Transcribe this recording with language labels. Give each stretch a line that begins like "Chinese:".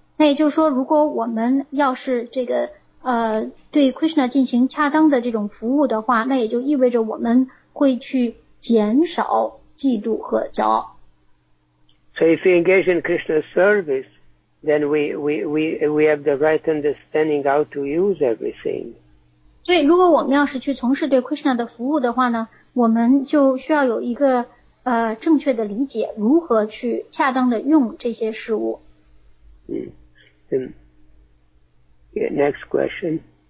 Chinese: 那也就是说，如果我们要是这个对 Krishna 进行恰当的这种服务的话，那也就意味着我们会去减少嫉妒和骄傲。
English: So if we engage in Krishna service. Then we have the right understanding how to use everything.
Chinese: 所以，如果我们要是去从事对 Krishna 的服务的话呢，我们就需要有一个正确的理解，如何去恰当的用这些事物。
English: Next question.